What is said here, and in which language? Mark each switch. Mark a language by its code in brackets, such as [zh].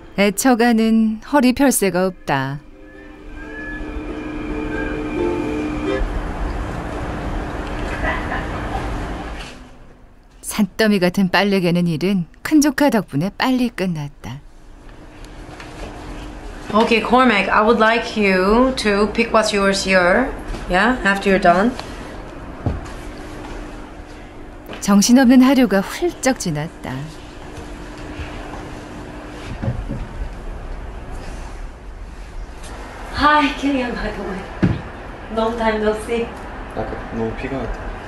[ko] 애처가는 허리 펼 새가 없다. 산더미 같은 빨래 개는 일은 큰 조카 덕분에 빨리 끝났다. [en] Okay, Cormac, I would like you to pick what's yours here. Yeah, after you're done. [ko] 정신없는 하루가 훌쩍 지났다. 하이, [en] Killian, by the way. Long time no see. [ko] 아까 너무 피곤했다.